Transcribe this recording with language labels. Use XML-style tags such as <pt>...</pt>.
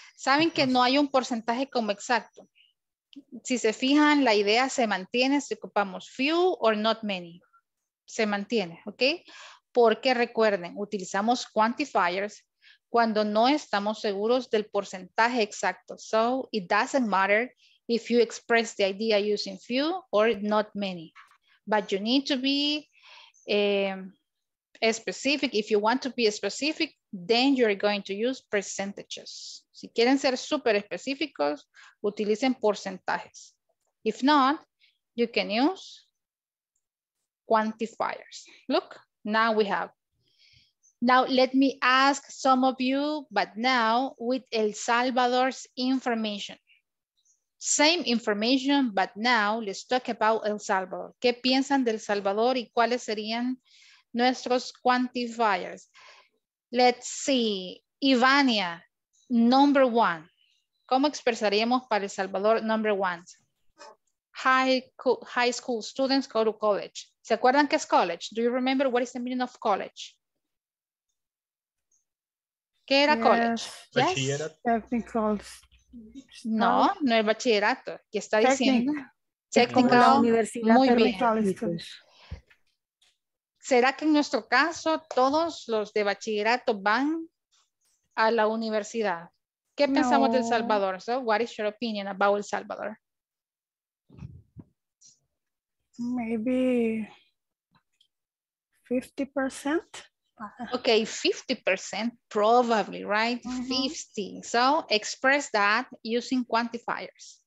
<es>Saben que no hay un porcentaje como exacto. Si se fijan, la idea se mantiene si ocupamos</es> <en>few or not many.</en> <es>Se mantiene, ¿ok? Porque recuerden, utilizamos quantifiers cuando no estamos seguros del porcentaje exacto.</es> <en>So, it doesn't matter if you express the idea using few or not many. But you need to be specific. If you want to be specific, then you're going to use percentages.</en> <es>Si quieren ser súper específicos, utilicen porcentajes.</es> <en>If not, you can use quantifiers. Look, now we have. Now let me ask some of you, but now with El Salvador's information. Same information, but now let's talk about El Salvador.</en> <es>¿Qué piensan del Salvador y cuáles serían nuestros quantifiers?</es> <en>Let's see. Ivania, number one.</en> <es>¿Cómo expresaríamos para</es> <en>El Salvador number one? High school students go to college.</en> <es>¿Se acuerdan qué es college?</es> <en>Do you remember what is the meaning of college?</en> <es>¿Qué era college? Bachillerato. No, no es bachillerato. ¿Qué está diciendo? Technical. Muy bien. ¿Será que en nuestro caso todos los de bachillerato van a la universidad? ¿Qué pensamos de El Salvador?</es> <en>So, what is your opinion about El Salvador? Maybe 50%. Okay, 50% probably, right? 50. So express that using quantifiers.</en>